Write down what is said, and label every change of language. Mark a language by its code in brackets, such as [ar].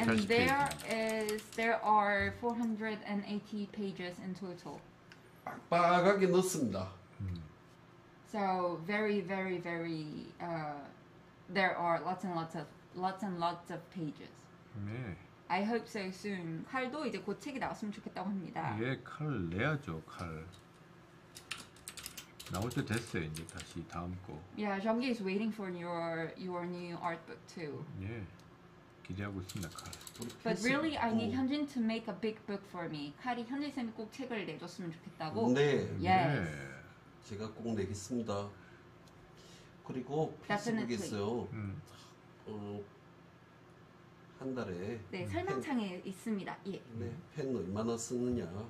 [en] And there is, there are 480 pages in total. [ko] 빡빡하게 넣습니다. [en] So very, very, very, there are lots and lots of, lots and lots of pages. [ko] 네. [en] I hope so soon. [ko] 칼도 이제 곧 책이 나왔으면 좋겠다고 합니다. 예, 칼 내야죠, 칼. 나올 때 됐어요 이제 다시 다음 거. [en] Yeah, Jeongi is waiting for your new art book too. [ko] 예, 기대하고 있습니다 칼. [en] But really, I need Hyunjin to make a big book for me. [ko] 칼이 현진 쌤이 꼭 책을 내줬으면 좋겠다고. 네. [en] Yes. [ko] 네. 제가 꼭 내겠습니다. 그리고 페이스북에서요. 한 달에. 네, 설명창에 있습니다. 예. 네, 펜 얼마나 쓰느냐.